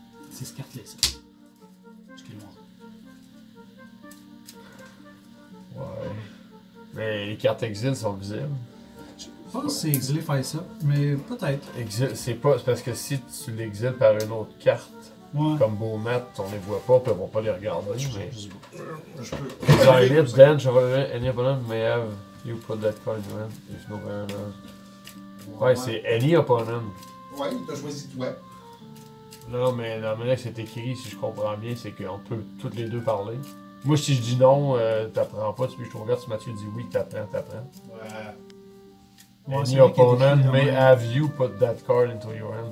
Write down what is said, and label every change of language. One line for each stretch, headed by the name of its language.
French: C'est ce carte-là, ça. Je peux le montrer. Ouais. Mais les cartes exil sont visibles. Je pense que c'est exilé faire ça, mais peut-être. Exil, c'est pas. C'est parce que si tu l'exiles par une autre carte. Ouais. Comme beau mat, on les voit pas, on va pas les regarder. Je mais... peux. Je peux. Je peux.
English: Any opponent may have you put that card in if no one else.
French: Ouais, c'est
English: any opponent.
French: Ouais, il t'a choisi toi. Non, mais normalement, c'est écrit, si je comprends bien, c'est qu'on peut toutes les deux parler. Moi, si je dis non, t'apprends pas. Tu peux, je te regarde si Mathieu dit oui, t'apprends. Ouais.
English: Any opponent may have you put that card into your hand.